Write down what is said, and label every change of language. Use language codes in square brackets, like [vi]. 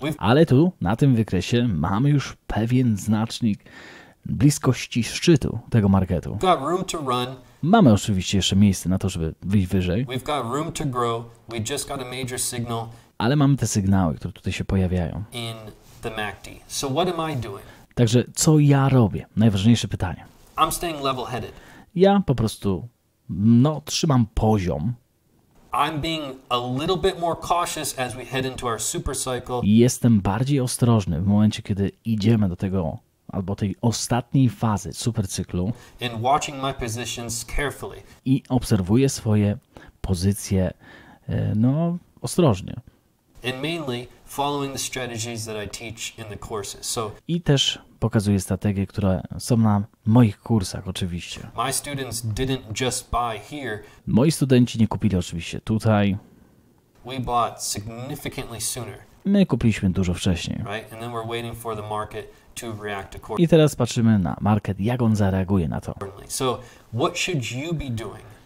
[pl] Ale tu, na tym wykresie, mamy już pewien znacznik bliskości szczytu tego marketu. [en] We've got room to run. [pl] Mamy oczywiście jeszcze miejsce na to, żeby wyjść wyżej. [en] We've got room to grow. We just got a major signal. [pl] Ale mamy te sygnały, które tutaj się pojawiają. [en] In the MACD. So what am I doing? [pl] Także co ja robię? Najważniejsze pytanie. [en] I'm staying level-headed. [pl] Ja po prostu trzymam poziom. [en] I'm being a little bit more cautious as we head into our super cycle. [pl] Jestem bardziej ostrożny w momencie, kiedy idziemy do tego albo tej ostatniej fazy supercyklu. [en] And watching my positions carefully. [pl] I obserwuję swoje pozycje ostrożnie. [en] And mainly following the strategies that I teach in the courses. So [pl] i też pokazuję strategie, które są na moich kursach oczywiście. [en] My students didn't just buy here. [pl] Moi studenci nie kupili oczywiście tutaj. [en] We bought significantly sooner. [pl] My kupiliśmy dużo wcześniej. [en] Right? And then we're waiting for the market to react accordingly. [pl] I teraz patrzymy na market, jak on zareaguje na to. [en] So what should you be doing?